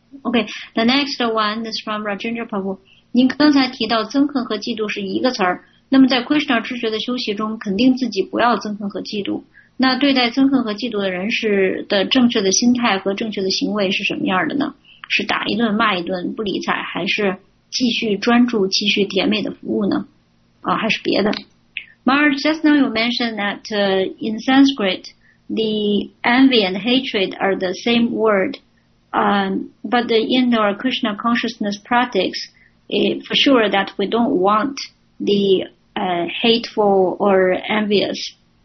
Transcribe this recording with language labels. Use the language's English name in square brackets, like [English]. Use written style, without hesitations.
[English] Okay, the next one is from Rajendra Prabhu. [Chinese] 您刚才提到憎恨和嫉妒是一个词儿，那么在 Krishna 知觉的修习中，肯定自己不要憎恨和嫉妒。那对待憎恨和嫉妒的人是的正确的心态和正确的行为是什么样的呢？是打一顿骂一顿不理睬，还是继续专注继续甜美的服务呢？还是别的？ [English] Maharaj, just now you mentioned that in Sanskrit, the envy and hatred are the same word. But in our Krishna consciousness practice, for sure that we don't want the hateful or envious.